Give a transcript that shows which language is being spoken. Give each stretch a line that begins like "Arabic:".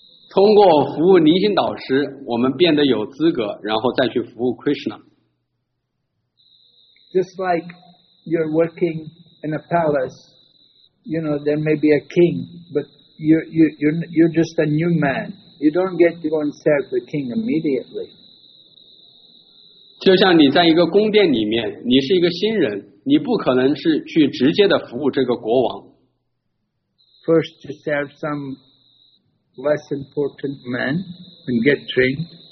Chinese: 通过服务灵性导师, 我们变得有资格, 然后再去服务Krishna。
English: Just like you're working in a palace, you know, there may be a king, but you're just a new man. You don't get to go and serve the king immediately.
Chinese: 就像你在一个宫殿里面, 你是一个新人, 你不可能是去直接的服务这个国王。
English: First to serve some less important man and get trained.